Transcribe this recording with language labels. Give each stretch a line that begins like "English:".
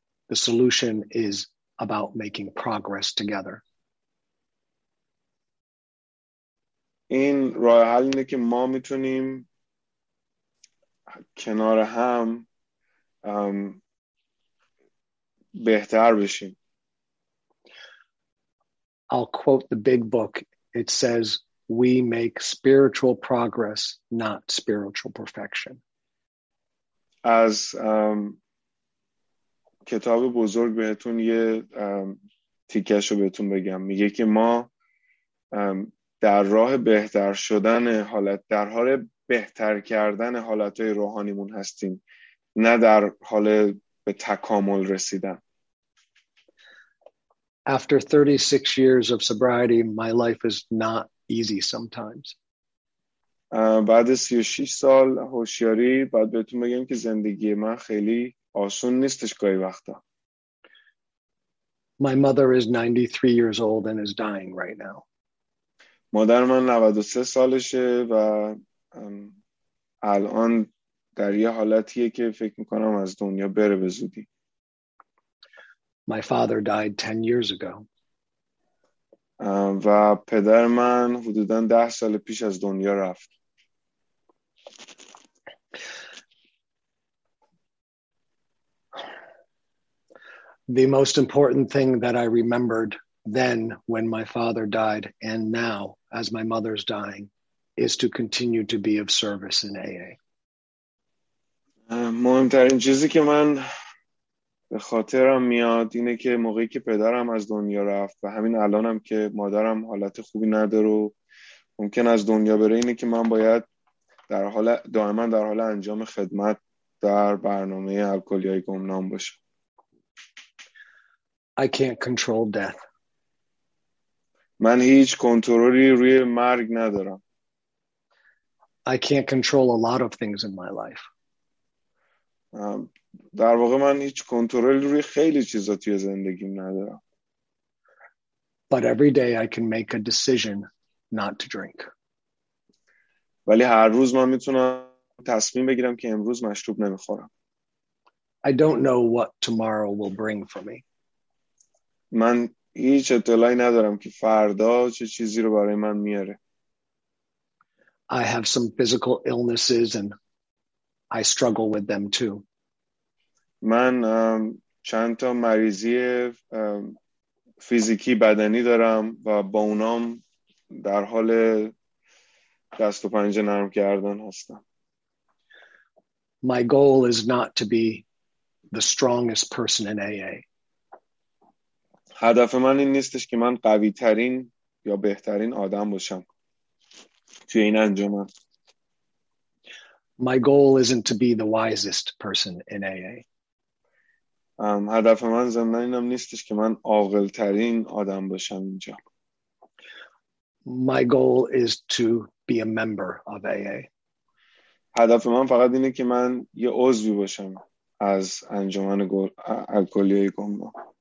English: The solution is about making progress together.
Persian: این راه حل اینه که ما میتونیم کنار هم بهتر بشیم.
English: I'll quote the big book. It says, "We make spiritual progress, not spiritual perfection."
Persian: As کتاب بزرگ بهتون یه تیکشو بهتون بگم. میگه که ما در راه بهتر شدن حالت، در حال بهتر کردن حالتهای روحانیمون هستیم، نه در حال به تکامل رسیدن.
English: After 36 years of sobriety, my life is not easy sometimes.
Persian: بعد 36 سال هوشیاری باید بهتون بگم که زندگی من خیلی آسون نیستش گاهی وقتا.
English: My mother is 93 years old and is dying right now.
Persian: مادر من 93 سالشه و الان در یه حالتیه که فکر میکنم از دنیا بره به زودی.
English: My father died 10 years ago.
Persian: و پدر من حدوداً 10 سال پیش از دنیا رفت.
English: The most important thing that I remembered then when my father died and now as my mother's dying is to continue to be of service in AA.
Persian: مهمترین چیزی که من به خاطرم میاد اینه که موقعی که پدرم از دنیا رفت و همین الانم که مادرم حالت خوبی نداره و ممکن از دنیا بره، اینه که من باید در حال دائما در حال انجام خدمت در برنامه الکلیای گمنام باشم.
English: I can't control death.
Persian: من هیچ کنترلی روی مرگ ندارم.
English: I can't control a lot of things in my life.
Persian: در واقع من هیچ کنترلی روی خیلی چیزا توی زندگیم ندارم.
English: But every day I can make a decision not to drink.
Persian: ولی هر روز من میتونم تصمیم بگیرم که امروز مشروب نمیخورم.
English: I don't know what tomorrow will bring for me.
Persian: من هیچ اطلاعی ندارم که فردا چه چیزی رو برای من میاره.
English: I have some physical illnesses and I struggle with them too.
Persian: من چند تا مریضی فیزیکی بدنی دارم و با اونام در حال دست و پنجه نرم کردن هستم.
English: My goal is not to be the strongest person in AA.
Persian: هدف من این نیستش که من قوی ترین یا بهترین آدم باشم توی این انجمن.
English: My goal isn't to be the wisest person in AA.
Persian: هدف من زمین اینم نیستش که من عاقل ترین آدم باشم اینجا.
English: My goal is to be a member of AA.
Persian: هدف من فقط اینه که من یه عضوی باشم از انجمن الکلیای گمنام.